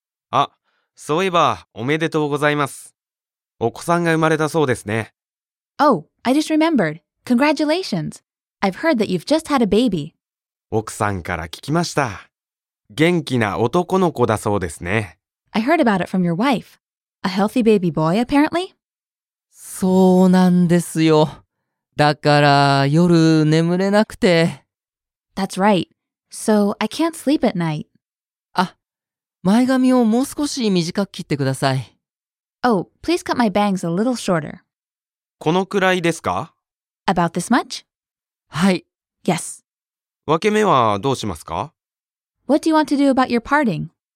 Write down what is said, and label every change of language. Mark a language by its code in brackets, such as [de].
[ja] あ、そういえばおめでとうございます。お子さんが生まれたそうですね。 [en] Oh, I just remembered. Congratulations. I've heard that you've just had a baby. [ja] 奥さんから聞きました。元気な男の子だそうですね。 [en] I heard about it from your wife. A healthy baby boy, apparently. [ja] そうなんですよ。だから夜眠れなくて。 [en] That's right. So I can't sleep at night. [ja] あ、前髪をもう少し短く切ってください。 [en] Oh, please cut my bangs a little shorter. [ja] このくらいですか? [en] About this much? [ja] はい。 [en] Yes. [ja] 分け目はどうしますか? [en] What do you want to do about your parting?